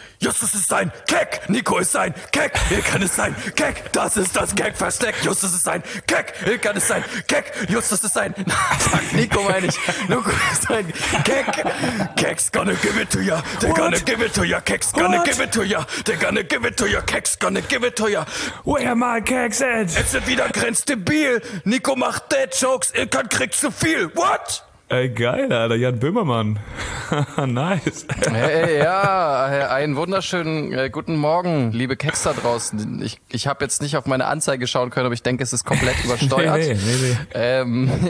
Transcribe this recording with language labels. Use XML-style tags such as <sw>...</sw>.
<de>Justus ist ein Keck, Nico ist ein Keck, er kann es sein, Keck, das ist das Keck-Versteck. Justus ist ein Keck, er kann es sein, Keck, Justus ist ein, Nico meine ich, Nico ist ein Keck.</de> <en>Keck's gonna give it to ya, they're gonna give it to ya, Keck's gonna give it to ya, they're gonna give it to ya, Keck's gonna give it to ya. Where my Keck's at?</en> <de>Es wird wieder grenzdebil, Nico macht Dad-Jokes, er kann kriegt zu viel,</de> <en>what?</en> <de>Ey, geil, Alter, Jan Böhmermann. Nice. Hey, ja, einen wunderschönen guten Morgen, liebe Keks da draußen. Ich habe jetzt nicht auf meine Anzeige schauen können, aber ich denke, es ist komplett übersteuert. Nee.</de>